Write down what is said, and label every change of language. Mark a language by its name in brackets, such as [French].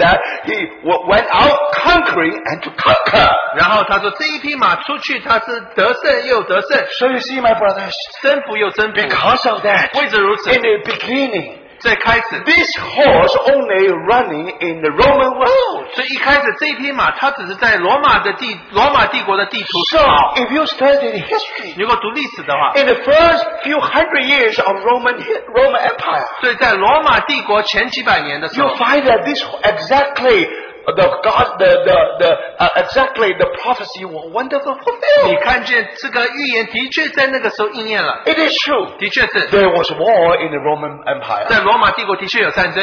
[English] that he went out conquering and to conquer. [Chinese] 然后他说这一匹马出去，他是得胜又得胜。So [English] you see, my brothers, [Chinese] 征服又征服, [English] because of that, [Chinese] 为着如此, [English] in the beginning, [Chinese] 在开始, [English] this horse only running in the Roman world. [Chinese] 所以一开始这一匹马，它只是在罗马帝国的地图。 [English] So if you study the history, [Chinese] 如果读历史的话, [English] in the first few hundred years of Roman Empire, [Chinese] 所以在罗马帝国前几百年的时候, [English] you'll find that this exactly the prophecy was wonderful fulfilled. [Chinese] 你看见这个预言的确在那个时候应验了。 [English] It is true. [Chinese] 的确是, [English] there was war in the Roman Empire. [Chinese] 在罗马帝国的确有战争。